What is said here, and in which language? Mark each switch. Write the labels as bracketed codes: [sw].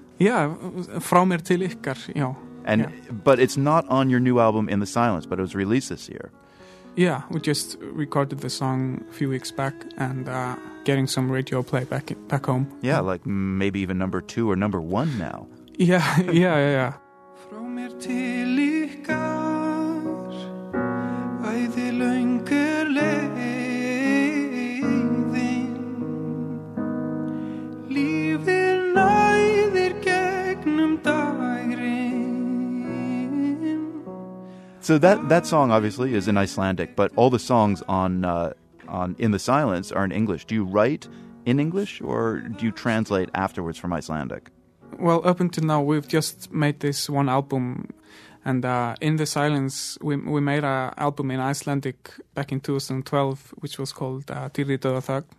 [en] Yeah, Frá mér til ykkur, you know. And yeah. But it's not on your new album, In the Silence, but it was released this year. Yeah, we just recorded the song a few weeks back and getting some radio play back home. Yeah, like maybe even number 2 or number 1 now. Yeah. [is] Frá mér til ykkar, æði löng er leiðin. Lífið næðir gegnum dagrin. [en] So that song obviously is in Icelandic, but all the songs on In the Silence are in English. Do you write in English or do you translate afterwards from Icelandic? Well, up until now, we've just made this one album. And In the Silence, we made an album in Icelandic back in 2012, which was called Týri Döðaþögn.